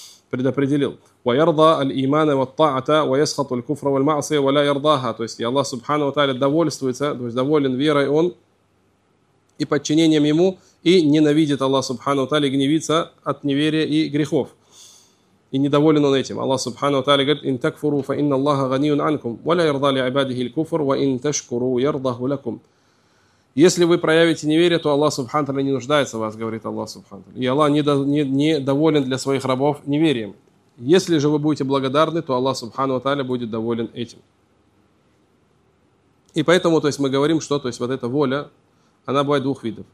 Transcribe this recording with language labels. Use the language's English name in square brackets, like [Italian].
[Russian] Предопределил. [Arabic] وَيَرْضَى الْإِيمَانَ وَالطَّاعَةَ وَيَسْخَطُ الْكُفْرَ وَالْمَعْصِيَةَ وَلَا يَرْضَاهَا. [Russian] То есть Аллах Субхану ва Тааля довольствуется, то есть доволен верой он и подчинением ему, и ненавидит Аллах Субхану ва Тааля, гневится от неверия и грехов. И недоволен он этим. Аллах Субхану ва Тааля говорит: [Arabic] إِن تَكْفُرُوا فَإِنَّ اللَّهَ غَنِيٌّ عَنْكُمْ وَلَا يَرْضَى لِعِبَادِهِ الْكُفْرُ وَإِن تَشْكُرُوا يَرْضَهُ لَكُمْ. [Russian] Если вы проявите неверие, то Аллах Субхану ва Тааля не нуждается в вас, говорит Аллах Субхану ва Тааля. И Аллах не доволен для своих рабов неверием. Если же вы будете благодарны, то Аллах Субхану ва Тааля будет доволен этим. И поэтому, то есть, мы говорим, что то есть, вот эта воля, она бывает двух видов.